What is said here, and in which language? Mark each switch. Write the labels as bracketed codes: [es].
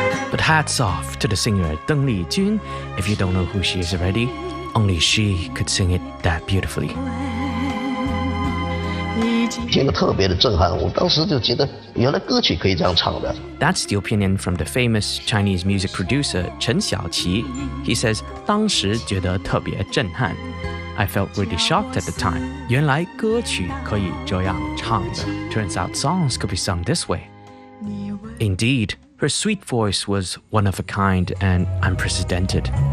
[en] But hats off to the singer Teng. If you don't know who she is already, only she could sing it that beautifully. That's the opinion from the famous Chinese music producer Chen Xiaoqi. He says, [zh] 当时觉得特别震撼. [en] I felt really shocked at the time. [zh] 原来歌曲可以这样唱的. [en] Turns out songs could be sung this way. Indeed, her sweet voice was one of a kind and unprecedented.